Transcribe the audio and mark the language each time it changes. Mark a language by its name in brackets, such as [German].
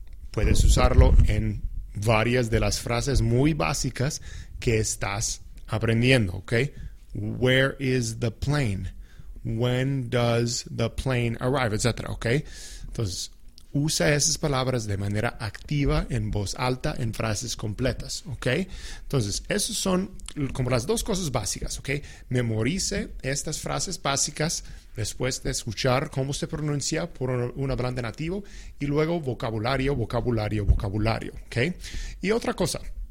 [Spanish] Puedes usarlo en varias de las frases muy básicas que estás aprendiendo, ¿ok? [English] Where is the plane? When does the plane arrive? [Spanish] Etcétera, ¿ok? Entonces, usa esas palabras de manera activa en voz alta en frases completas, ¿ok? Entonces, esas son como las dos cosas básicas, ¿ok? Memorice estas frases básicas después de escuchar cómo se pronuncia por un hablante nativo y luego vocabulario, ¿ok? Y otra cosa.